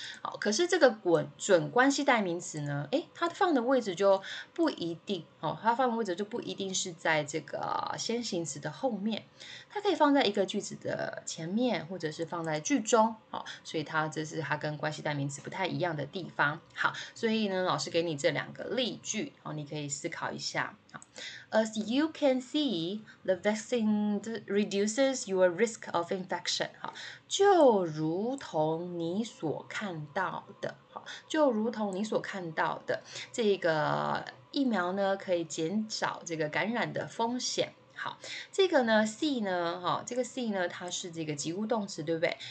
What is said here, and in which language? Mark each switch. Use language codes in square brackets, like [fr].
[zh] 好，可是这个准关系代名词呢，它放的位置就不一定，它放的位置就不一定是在这个先行词的后面，它可以放在一个句子的前面或者是放在句中，所以它这是它跟关系代名词不太一样的地方。好，所以呢老师给你这两个例句，你可以思考一下。 [en] As you can see, the vaccine reduces your risk of infection. [zh] 就如同你所看到的，就如同你所看到的，这个疫苗呢可以减少这个感染的风险。好，这个呢 see 呢，这个 see 呢它是这个及物动词，对不对？